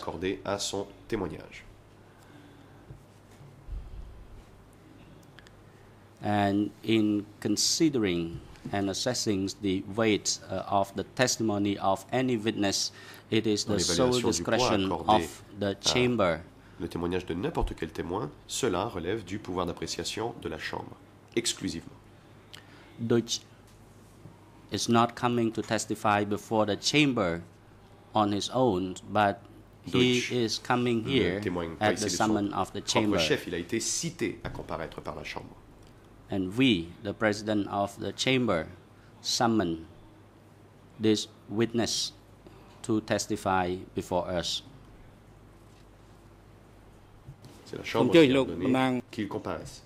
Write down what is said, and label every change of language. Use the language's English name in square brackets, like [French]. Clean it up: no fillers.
[French] accordée à son témoignage. [English] And in considering and assessing the weight of the testimony of any witness, it is the sole discretion of the chamber. [French] Le témoignage de n'importe quel témoin, cela relève du pouvoir d'appréciation de la chambre, exclusivement. [English] Deutsch is not coming to testify before the chamber on his own, but he is coming here at the summon of the chamber. [French] Chef, il a été cité à comparaître par la chambre. [English] And we, the president of the chamber, summon this witness to testify before us. [French] C'est la chambre qui a ordonné qu'il comparaisse.